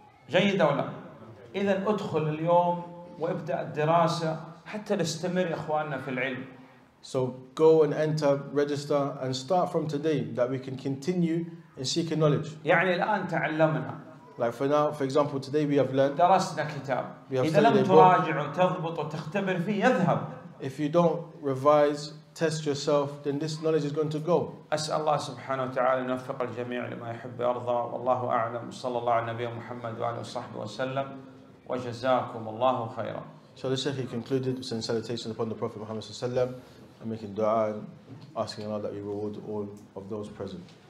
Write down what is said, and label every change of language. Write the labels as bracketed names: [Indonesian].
[Arabic] جيد أو لا؟ إذا أدخل اليوم وابدأ الدراسة حتى نستمر إخواننا في العلم. [English] So go and enter, register, and start from today that we can continue in seeking knowledge. [Arabic] يعني الآن تعلمنا. [English] Like for now, for example, today we have learned. [Arabic] درسنا كتاب. إذا لم تراجع وتضبط وتختبر فيه يذهب. [English] If you don't revise, test yourself, then this knowledge is going to go. [Arabic] أسأل الله سبحانه وتعالى أن يوفق الجميع لما يحب ويرضى والله أعلم. صلى الله على النبي محمد وعلى صحبه وسلم. وجزاكم الله خيرا. [English] So the Sheikh concluded with salutation upon the Prophet Muhammad sallallahu alaihi wasallam and making dua and asking Allah that he reward all of those present.